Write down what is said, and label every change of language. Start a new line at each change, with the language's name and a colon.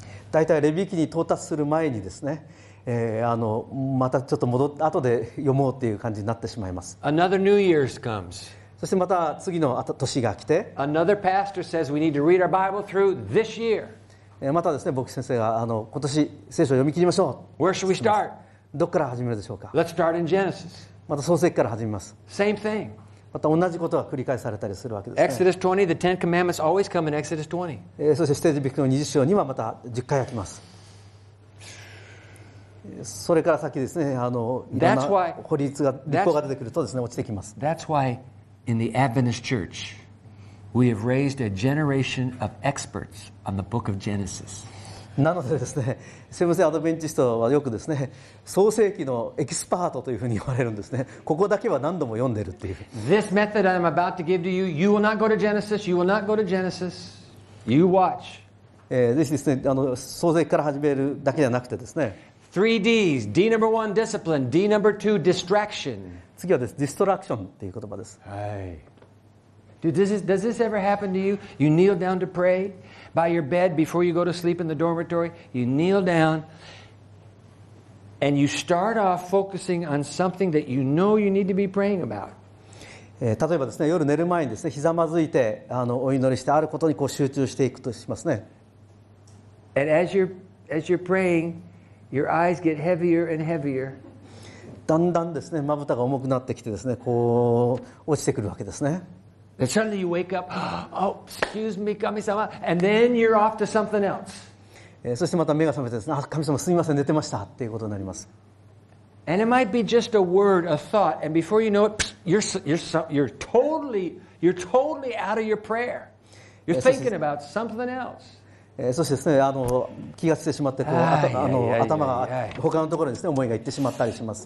Japanese: だいたいレビ記に到達する前にですね。またちょっと戻っ後で読もうという感じになってしまいます。
English: Another New Year's comes.
Japanese: そしてまた次の年が来て。
English: Another pastor says we need to read our Bible through this year.
Japanese: またですね、牧師先生が今年聖書を読み切りましょう。
English: Where should we start?
Japanese: どこから始めるでしょうか。
English: Let's start in Genesis.
Japanese: また創世記から始めます。
English: Same thing.
Japanese: また同じことが繰り返されたりするわけですね。
English: Exodus 20, the Ten Commandments always come in Exodus 20.
Japanese: そして出エジプトの20章にはまた10回が来ます。それから先ですね、いろんな法律が立法が出てくるとですね、落ちてきます。
English: That's why in the Adventist Church we have raised a generation of experts on the Book of Genesis.
Japanese: なのでですね、セブンセイアドベンチストはよくですね、創世記のエキスパートというふうに言われるんですね。ここだけは何度も読んでるっていう。
English: This method I'm about to give to you, you will not go to Genesis. You will not go to Genesis. You watch.
Japanese: ぜひですね、創世記から始めるだけじゃなくてですね。
English: Three D's. D number one, discipline. D number two, distraction.
Japanese: 次はです、distraction っていう言葉です。はい。
English: Dude, does this ever happen to you? You kneel down to pray by your bed before you go to sleep in the dormitory. You kneel down and you start off focusing on something that you know you need to be praying about.
Japanese: 例えばですね、夜寝る前にですね、ひざまずいてお祈りしてあることにこう集中していくとしますね。
English: And as you're praying, your eyes get heavier and heavier.
Japanese: だんだんですね、まぶたが重くなってきてですね、こう落ちてくるわけですね。
English: And suddenly you wake up, oh, excuse me, 神様、and then you're off to something else.
Japanese: そしてまた目が覚めてですね、あ、神様すみません、寝てましたっていうことになります。
English: And it might be just a word, a thought, and before you know it, you're totally out of your prayer. You're thinking about something else.
Japanese: そしてですね、気がついてしまって、こう、頭が他のところにですね、思いが行ってしまったりします。